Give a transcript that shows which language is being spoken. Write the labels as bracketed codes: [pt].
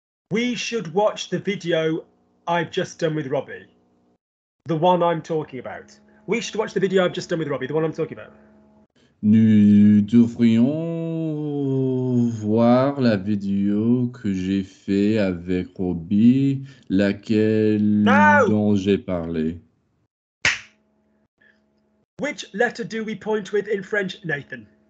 [en] We should watch the video I've just done with Robbie. The one I'm talking about. We should watch the video I've just done with Robbie. The one I'm talking about. [fr] Nous devrions voir la vidéo que j'ai fait avec Robbie, laquelle [en] no! [fr] dont j'ai parlé. [en] Which letter do we point with in French, Nathan?